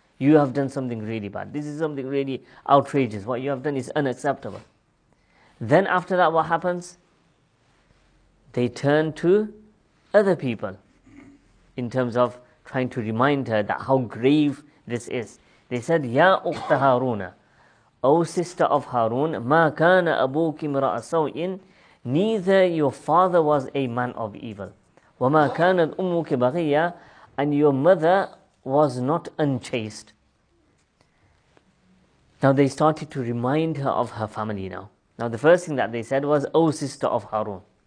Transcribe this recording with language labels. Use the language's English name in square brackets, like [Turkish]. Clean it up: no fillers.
[English] You have done something really bad. This is something really outrageous. What you have done is unacceptable. Then after that, what happens? They turn to other people in terms of trying to remind her that how grave this is. They said, [Arabic] يَا أُخْتَ هَارُونَ. [English] O sister of Harun, [Arabic] مَا كَانَ أَبُوكِ مْرَأَ سَوْءٍ. [English] Neither your father was a man of evil. [Arabic] وَمَا كَانَتْ أُمُّكِ بَغِيًّا. [English] And your mother was not unchaste. Now they started to remind her of her family now. Now the first thing that they said was, O sister of Harun.